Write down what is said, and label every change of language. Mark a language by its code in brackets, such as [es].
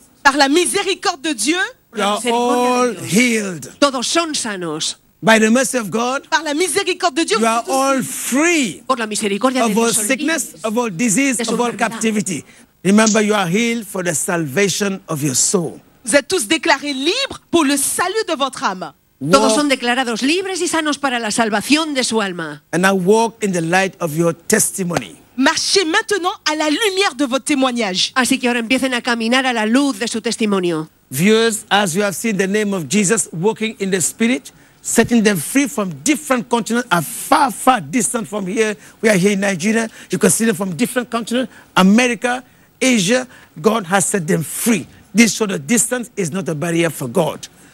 [fr] Par la miséricorde de Dieu. [en] We are all healed. [es] Todos son sanos. [en] By the mercy of God. [fr] Par la miséricorde de Dieu. [en] You are all free. [es] Por la misericordia [en] of all sickness, of all disease, of all captivity. Remember, you are healed for the salvation of your soul. [fr] Vous êtes tous déclarés libres pour le salut de votre âme. [en] Walk. [es] Todos son declarados libres y sanos para la salvación de su alma. [en] And I walk in the light of your testimony. [fr] Marchez maintenant à la lumière de votre témoignage. [es] Así que ahora empiecen a caminar a la luz de su testimonio. [en] Viewers, as you have seen the name of Jesus walking in the spirit, setting them free from different continents, are far, far distant from here. We are here in Nigeria. You can see them from different continents, America, Asia. God has set them free. This sort of distance is not a barrier for God.